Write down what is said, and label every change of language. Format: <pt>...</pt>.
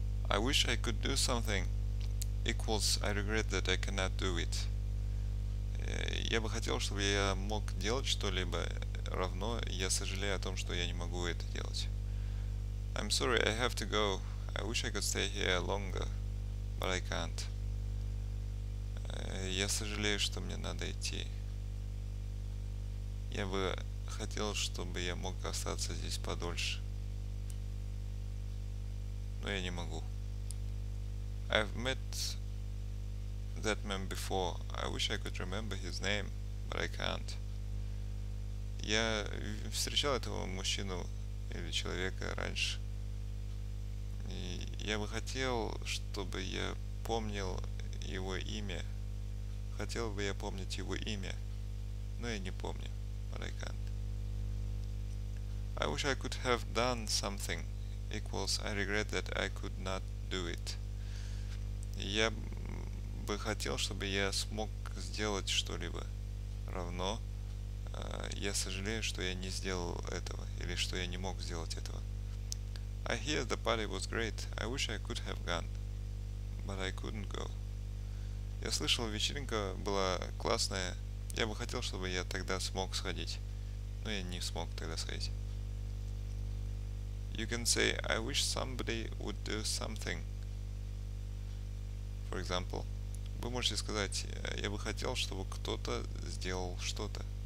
<en>I wish I could do something equals I regret that I cannot do it.</en> <ru>Я бы хотел, чтобы я мог делать что-либо, равно я сожалею о том, что я не могу это делать.</ru> <en>I'm sorry, I have to go. I wish I could stay here longer, but I can't.</en> <ru>Я сожалею, что мне надо идти. Я бы хотел, чтобы я мог остаться здесь подольше. Но я не могу.</ru> <en>I've met that man before. I wish I could remember his name, but I can't.</en> <ru>Я встречал этого мужчину или человека раньше. И я бы хотел, чтобы я помнил его имя. Хотел бы я помнить его имя, но я не помню,</ru> <en>but I can't. I wish I could have done something equals I regret that I could not do it.</en> <ru>Я бы хотел, чтобы я смог сделать что-либо, равно я сожалею, что я не сделал этого, или что я не мог сделать этого.</ru> <en>I hear the party was great. I wish I could have gone, but I couldn't go.</en> <ru>Я слышал, вечеринка была классная. Я бы хотел, чтобы я тогда смог сходить, но я не смог тогда сходить.</ru> <en>You can say, I wish somebody would do something. For example,</en> <ru>вы можете сказать, я бы хотел, чтобы кто-то сделал что-то.</ru>